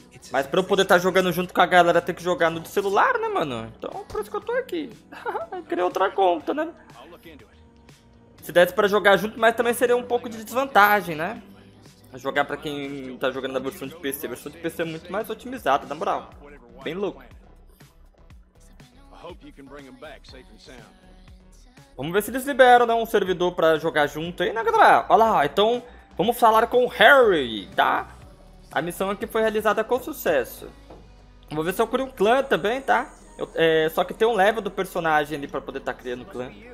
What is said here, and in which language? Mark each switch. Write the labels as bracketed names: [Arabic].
[Portuguese] Mas pra eu poder estar jogando junto com a galera, tem que jogar no de celular, né, mano? Então, por isso que eu tô aqui. Criei outra conta, né? Se desse pra jogar junto, mas também seria um pouco de desvantagem, né? Jogar pra quem tá jogando na versão de PC. A versão de PC é muito mais otimizada, na moral. Bem louco. [English] hope you can bring them back safe and sound. [Portuguese] Vamos ver se eles liberam, né, um servidor pra jogar junto aí, né, galera? Olha lá, então vamos falar com o Harry, tá? A missão aqui foi realizada com sucesso. Vou ver se eu crio um clã também, tá? Só que tem um level do personagem ali pra poder estar criando o clã.